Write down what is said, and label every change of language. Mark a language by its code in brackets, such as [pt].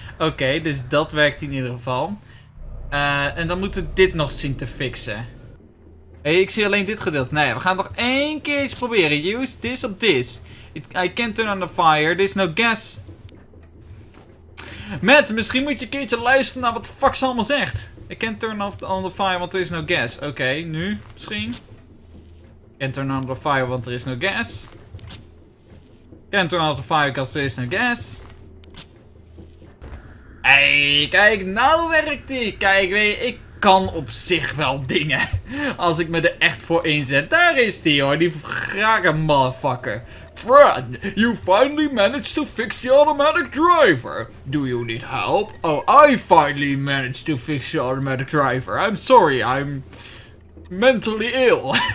[nl] Oké, okay, dus dat werkt in ieder geval. En dan moeten we dit nog zien te fixen. Hé, hey, ik zie alleen dit gedeelte. Nee, we gaan nog één keer iets proberen. [en] Use this of this. I can't turn on the fire. There's no gas. [nl] Matt, misschien moet je een keertje luisteren naar wat de fuck ze allemaal zegt. [en] I can't turn off the, on the fire, want there is no gas. Oké, okay, [nl] nu misschien. [en] Can't turn on the fire, want there is no gas. Can't turn off the fire, because there is no gas. [nl] Hey, kijk, nou werkt die. Kijk, weet je, ik kan op zich wel dingen. Als ik me er echt voor inzet. Daar is die hoor, die rare motherfucker. [en] Friend, you finally managed to fix the automatic driver. Do you need help? Oh, I finally managed to fix the automatic driver. I'm sorry, I'm mentally ill.